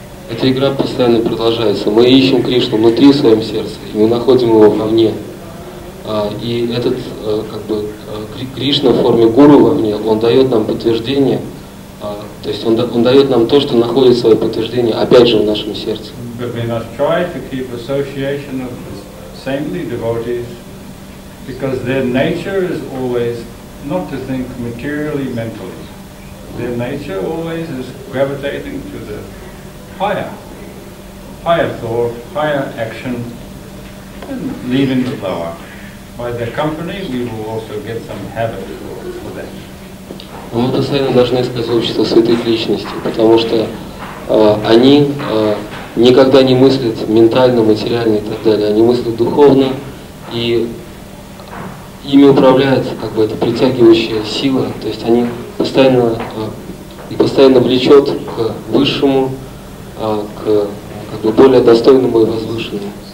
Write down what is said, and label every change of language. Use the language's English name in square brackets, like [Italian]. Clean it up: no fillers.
[Russian] Эта игра постоянно продолжается. Мы ищем Кришну внутри своем сердце, и мы находим его вовне. И этот как бы Кришна в форме Гуру вовне, он дает нам подтверждение. То есть он дает нам то, что находит свое подтверждение, опять же в нашем сердце. [English] But we must try to keep association of saintly devotees, because their nature is always not to think materially, mentally. Their nature always is gravitating to the higher thought, higher action, and leaving the lower. By their company, we will also get some habit for that. [Russian] Мы постоянно должны искать общество святых личностей, потому что они никогда не мыслят ментально, материально и так далее. Они мыслят духовно, и ими управляет как бы эта притягивающая сила, то есть они постоянно и постоянно влечет к высшему, к как бы более достойному и возвышенному.